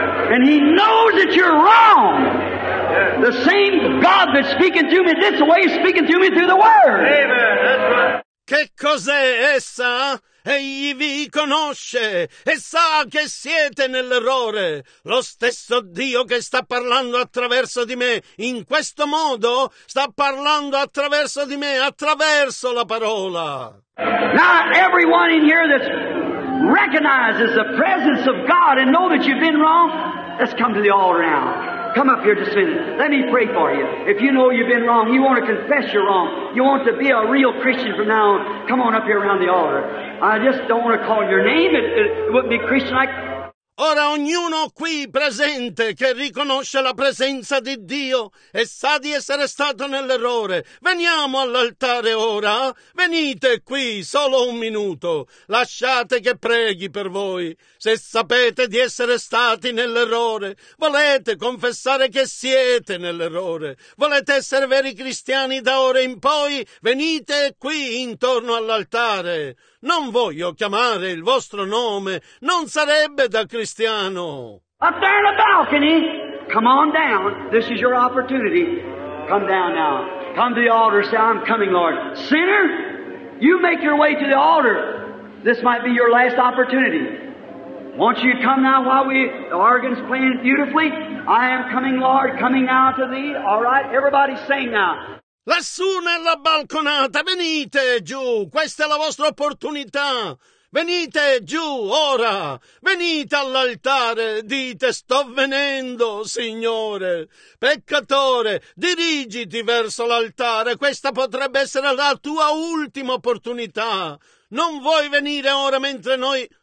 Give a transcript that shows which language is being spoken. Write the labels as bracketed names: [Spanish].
[English] And he knows that you're wrong. The same God that's speaking to me this way is speaking to me through the Word. [Italian] Che cos'è essa? Egli vi conosce e sa che siete nell'errore. Lo stesso Dio che sta parlando attraverso di me in questo modo sta parlando attraverso di me, attraverso la parola. [English] Now everyone in here that recognizes the presence of God and know that you've been wrong, let's come to the altar now. Come up here just a minute. Let me pray for you. If you know you've been wrong, you want to confess you're wrong, you want to be a real Christian from now on, come on up here around the altar. I just don't want to call your name. It wouldn't be Christian-like. [Italian] Ora ognuno qui presente che riconosce la presenza di Dio e sa di essere stato nell'errore, veniamo all'altare ora, venite qui solo un minuto, lasciate che preghi per voi, se sapete di essere stati nell'errore, volete confessare che siete nell'errore, volete essere veri cristiani da ora in poi, venite qui intorno all'altare. Non voglio chiamare il vostro nome, non sarebbe da cristiano. [English] Up there in the balcony, come on down, this is your opportunity. Come down now, come to the altar, say, I'm coming, Lord. Sinner, you make your way to the altar. This might be your last opportunity. Won't you come now while the organ's playing beautifully? I am coming, Lord, coming now to thee. All right, everybody sing now. [Italian] Lassù nella balconata, venite giù, questa è la vostra opportunità, venite giù ora, venite all'altare, dite sto venendo, Signore, peccatore, dirigiti verso l'altare, questa potrebbe essere la tua ultima opportunità, non vuoi venire ora mentre noi...